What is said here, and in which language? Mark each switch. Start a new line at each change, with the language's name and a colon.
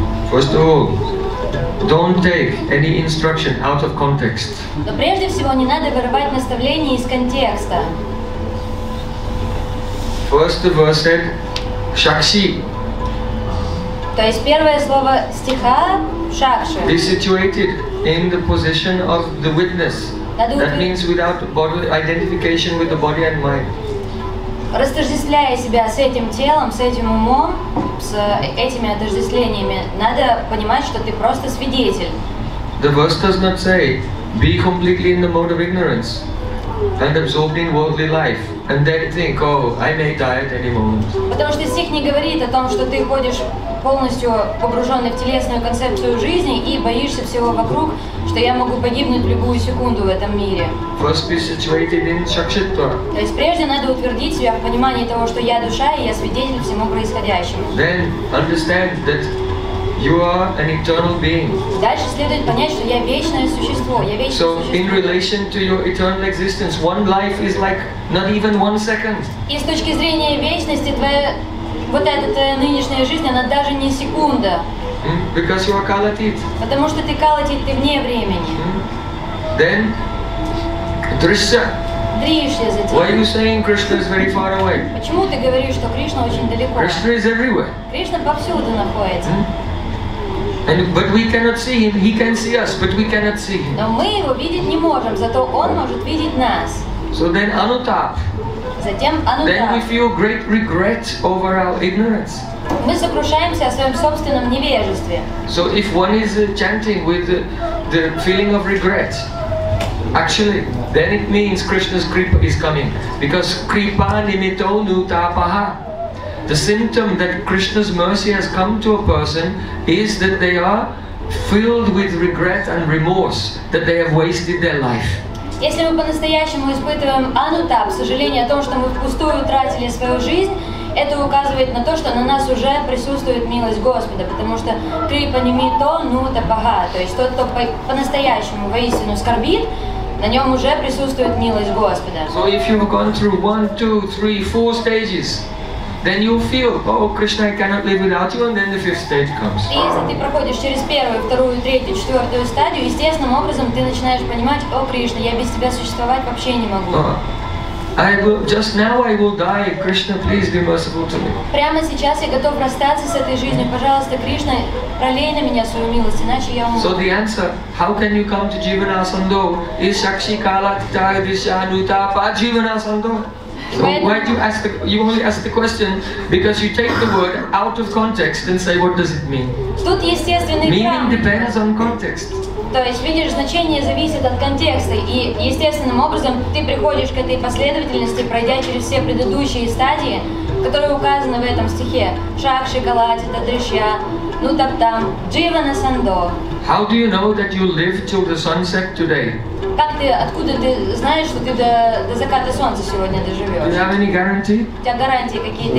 English: First of all, don't take any instruction out of context.
Russian: Но прежде всего не надо вырывать наставление из контекста.
English: First of all, said Shakshi.
Russian: То есть первое слово стиха Шакши.
English: Be situated in the position of the witness. That means without bodily identification with the body and mind.
Russian: Растождествляя себя с этим телом, с этим умом, с этими отождествлениями, надо понимать, что ты просто свидетель.
English: The verse does not say be completely in the mode of ignorance and absorbed in worldly life. And then think, oh, I may die at any moment.
Russian: Потому что стих не говорит о том, что ты ходишь полностью погруженный в телесную концепцию жизни и боишься всего вокруг, что я могу погибнуть любую секунду в этом мире.
English: First be situated in Shakshitva.
Russian: То есть прежде надо утвердить себя в понимании того, что я душа и я свидетель всему происходящему.
English: Then understand that you are an eternal being.
Russian: Дальше следует понять, что я вечное существо. Я вечное существо.
English: So in relation to your eternal existence, one life is like not even 1 second.
Russian: И с точки зрения вечности, твоя вот эта твоя нынешняя жизнь, она даже не секунда.
English: Because you are kalatit.
Russian: Потому что ты калатит, ты вне времени.
English: Then drishya.
Russian: Дришья затем.
English: Why are you saying Krishna is very far away?
Russian: Почему ты говоришь, что Кришна очень далеко?
English: Krishna is everywhere.
Russian: Кришна повсюду находится.
English: But we cannot see him. He can see us, but we cannot see him.
Russian: Но мы его видеть не можем, зато он может видеть нас.
English: So then anutap.
Russian: Затем anutap.
English: Then we feel great regret over our ignorance.
Russian: Мы сокрушаемся о своем собственном невежестве.
English: So if one is chanting with the feeling of regret, actually, then it means Krishna's kripa is coming, because kripa nimito nutapaha. The symptom that Krishna's mercy has come to a person is that they are filled with regret and remorse that they have wasted their life.
Russian: Если мы по-настоящему испытываем анутап, сожаление о том, что мы впустую утратили свою жизнь, это указывает на то, что на нас уже присутствует милость Господа, потому что крипа немито нутапага, то есть тот, кто по-настоящему воистину скорбит, на нем уже присутствует милость Господа.
English: So if you have gone through 1, 2, 3, 4 stages, then you feel, oh, Krishna, I cannot live without you, and then the fifth stage comes.
Russian: И если ты проходишь через первую, вторую, третью, четвертую стадию, естественным образом ты начинаешь понимать, о, Кришна, я без тебя существовать вообще не могу.
English: I will die. Krishna, please be merciful to me.
Russian: Прямо сейчас я готов расстаться с этой жизнью. Пожалуйста, Кришна, пролей на меня свою милость, иначе я умру.
English: So the answer, how can you come to Jivanasando? Is Shakshi Kalakta Vishanutapa Jivanasando? So why do you ask the, you only ask the question because you take the word out of context and say what does it mean?
Russian: Тут естественный
English: Meaning прав. Depends on context.
Russian: То есть, видишь, значение зависит от контекста, и естественным образом ты приходишь к этой последовательности, пройдя через все предыдущие стадии, которые указаны в этом стихе. Шакши, Калати, Тадрища, Нутаптам, Дживана Сандо.
English: How do you know that you live till the sunset today?
Russian: Как ты, откуда ты знаешь, что ты до заката солнца сегодня доживешь?
English: Do you have any guarantee?
Russian: У тебя гарантии какие-то